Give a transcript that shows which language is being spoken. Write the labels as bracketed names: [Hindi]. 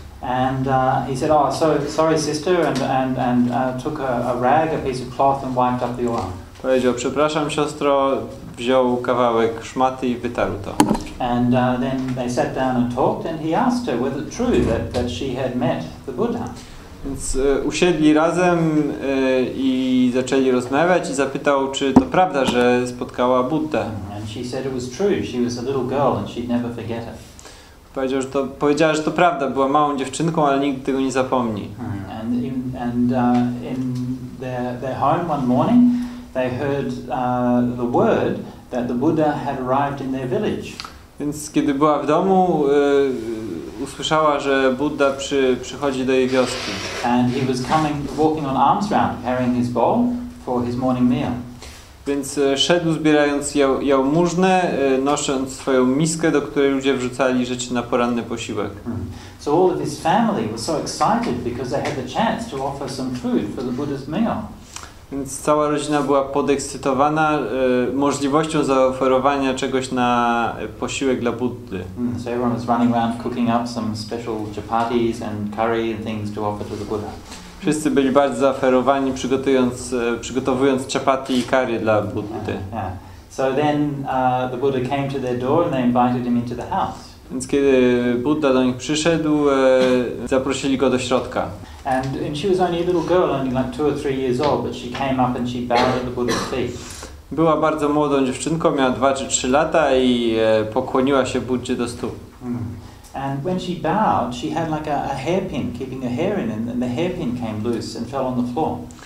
[English] And he said, "Oh, so sorry, sister," and took a rag, a piece of cloth, and wiped up the oil. [Polish] Powiedział: "Przepraszam, siostro," wziął kawałek szmaty i wytarł to. [English] And then they sat down and talked, and he asked her, "Was it true that she had met the Buddha?" [Polish] Więc usiedli razem i zaczęli rozmawiać i zapytał, czy to prawda, że spotkała Buddę. [English] And she said it was true. She was a little girl and she'd never forget it. [Polish] Powiedziała, że to prawda, była małą dziewczynką, ale nigdy tego nie zapomni. [English] And in their home one morning, they heard the word that the Buddha had arrived in their village. [Polish] Więc kiedy była w domu, usłyszała, że Budda przychodzi do jej wioski. [English] And he was coming walking on arms round carrying his bowl for his morning meal. [Polish] Więc szedł zbierając jałmużnę, nosząc swoją miskę, do której ludzie wrzucali rzeczy na poranny posiłek. [English] So all of his family was so excited because they had the chance to offer some food for the Buddha's meal. [Polish] Więc cała rodzina była podekscytowana możliwością zaoferowania czegoś na posiłek dla Buddy. [English] So everyone was running around cooking up some special chapatis and curry and things to offer to the Buddha. [Polish] Wszyscy byli bardzo zaoferowani, przygotowując chapati i curry dla Buddy. [English] So then the Buddha came to their door and they invited him into the house. [Polish] Więc kiedy Budda do nich przyszedł, zaprosili go do środka. [English] And she was only a little girl, only like 2 or 3 years old, but she came up and she bowed at the Buddha's feet. [Polish] Była bardzo młodą dziewczynką, miała 2 czy 3 lata i pokłoniła się Buddzie do stóp. [English] And when she bowed, she had like a hairpin keeping her hair in, and the hairpin came loose and fell on the floor.